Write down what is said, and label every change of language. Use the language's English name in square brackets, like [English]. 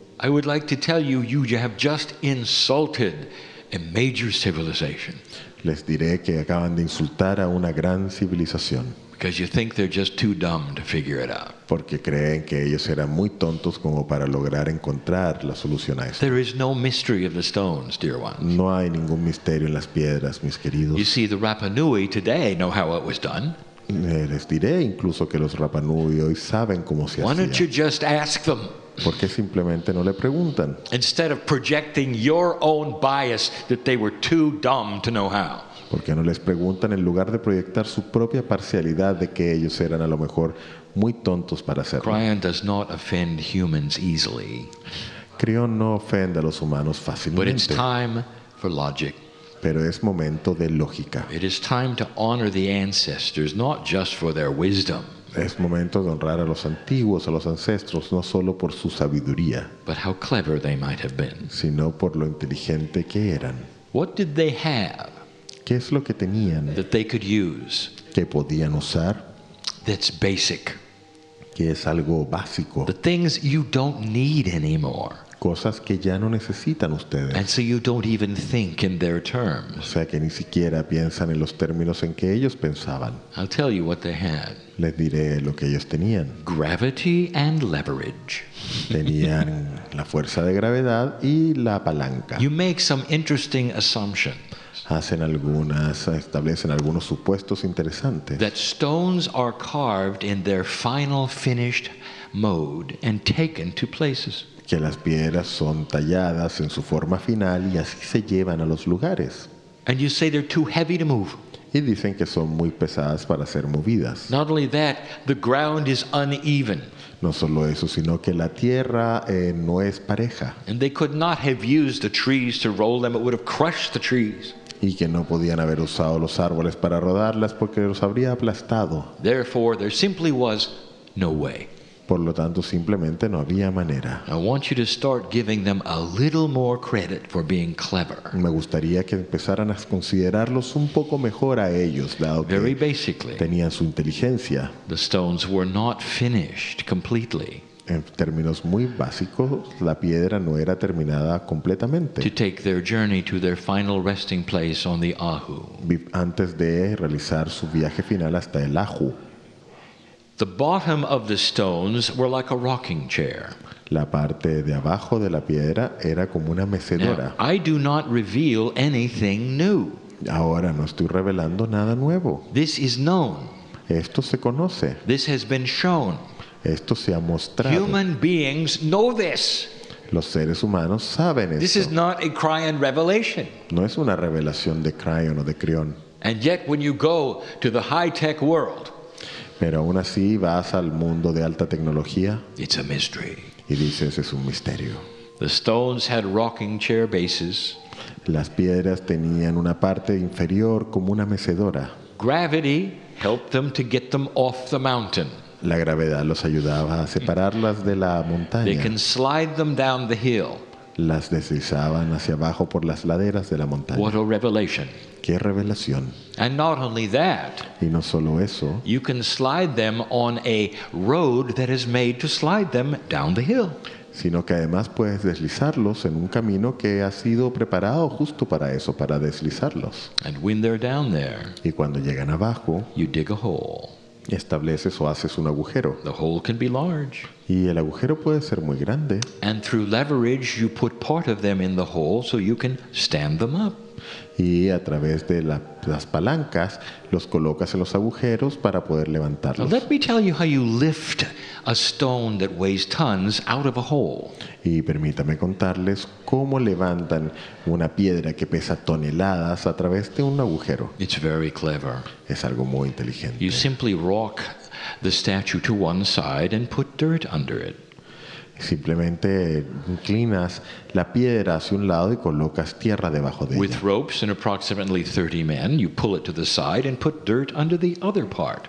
[English] I would like to tell you, you have just insulted a major civilization. [Spanish] Les diré que acaban de insultar a una gran civilización. [English] Because you think they're just too dumb to figure it out. [Spanish] Porque creen que ellos eran muy tontos como para lograr encontrar la solución a esto. [English] There is no mystery of the stones, dear ones. [Spanish] No hay ningún misterio en las piedras, mis queridos. [English] You see, the Rapa Nui today know how it was done. [Spanish] Les diré incluso que los Rapa Nui hoy saben cómo se hacía. [English] Why don't you just ask them? [Spanish] ¿Por qué simplemente no le preguntan? [English] Instead of projecting your own bias that they were too dumb to know how. [Spanish] ¿Por qué no les preguntan en lugar de proyectar su propia parcialidad de que ellos eran a lo mejor muy tontos para hacerlo? [English] Creon does not offend humans easily. [Spanish] Creon no ofende a los humanos fácilmente. [English] But it's time for logic. [Spanish] Pero es momento de lógica. [English] It is time to honor the ancestors, not just for their wisdom. [Spanish] Es momento de honrar a los antiguos, a los ancestros, no solo por su sabiduría, [English] but how clever they might have been. [Spanish] Sino por lo inteligente que eran. [English] What did they have? [Spanish] ¿Qué es lo que tenían [English] that they could use [Spanish] que podían usar? [English] That's basic. [Spanish] Que es algo básico. [English] The things you don't need anymore. [Spanish] Cosas que ya no necesitan ustedes. [English] And so you don't even think in their terms. [Spanish] O sea que ni siquiera piensan en los términos en que ellos pensaban. [English] I'll tell you what they had. [Spanish] Les diré lo que ellos tenían. [English] Gravity and leverage. [Spanish] Tenían la fuerza de gravedad y la palanca. [English] You make some interesting assumptions. [Spanish] Hacen algunas, establecen algunos supuestos interesantes. [English] That stones are carved in their final finished mode and taken to places. [Spanish] Que las piedras son talladas en su forma final y así se llevan a los lugares. [English] And you say they're too heavy to move. [Spanish] Y dicen que son muy pesadas para ser movidas. [English] Not only that, the ground is uneven. [Spanish] No solo eso, sino que la tierra no es pareja. [English] And they could not have used the trees to roll them, it would have crushed the trees. [Spanish] Y que no podían haber usado los árboles para rodarlas porque los habría aplastado. [English] Therefore, there simply was no way. [Spanish] Por lo tanto, simplemente no había manera. [English] I want you to start giving them a little more credit for being clever. [Spanish] Me gustaría que empezaran a considerarlos un poco mejor a ellos, dado [English] very [Spanish] que [English] basically, [Spanish] tenían su inteligencia. [English] The stones were not finished completely. [Spanish] En términos muy básicos, la piedra no era terminada completamente. [English] To take their journey to their final resting place on the Ahu. [Spanish] Antes de realizar su viaje final hasta el Ahu. [English] The bottom of the stones were like a rocking chair. [Spanish] La parte de abajo de la piedra era como una mecedora. [English] Now, I do not reveal anything new. [Spanish] Ahora no estoy revelando nada nuevo. [English] This is known. [Spanish] Esto se conoce. [English] This has been shown. [Spanish] Esto se ha mostrado. [English] Human beings know this. [Spanish] Los seres humanos saben esto. [English] This is not a Creon revelation. [Spanish] No es una revelación de Creon o de Creon. [English] And yet when you go to the high-tech world, [Spanish] pero aún así vas al mundo de alta tecnología. [English] It's a mystery. [Spanish] Y dices, es un misterio. [English] The stones had rocking chair bases. [Spanish] Las piedras tenían una parte inferior como una mecedora. [English] Gravity helped them to get them off the mountain. [Spanish] La gravedad los ayudaba a separarlas de la montaña. [English] They can slide them down the hill. [Spanish] Las deslizaban hacia abajo por las laderas de la montaña. [English] What a revelation. [Spanish] ¿Qué revelación? [English] And not only that, [Spanish] y no solo eso, [English] you can slide them on a road that is made to slide them down the hill. [Spanish] Sino que además puedes deslizarlos en un camino que ha sido preparado justo para eso, para deslizarlos. [English] And when they're down there, [Spanish] y cuando llegan abajo, [English] you dig a hole. [Spanish] Estableces o haces un agujero. [English] The hole can be large. [Spanish] Y el agujero puede ser muy grande. [English] And through leverage, you put part of them in the hole so you can stand them up. [Spanish] Y a través de las palancas los colocas en los agujeros para poder levantarlos. [English] Let me tell you how you lift a stone that weighs tons out of a hole. [Spanish] Y permítame contarles cómo levantan una piedra que pesa toneladas a través de un agujero. [English] It's very clever. [Spanish] Es algo muy inteligente. [English] You simply rock the statue to one side and put dirt under it. [Spanish] Simplemente inclinas la piedra hacia un lado y colocas tierra debajo de [English] with [Spanish] ella. [English] Ropes and approximately 30 men, you pull it to the side and put dirt under the other part.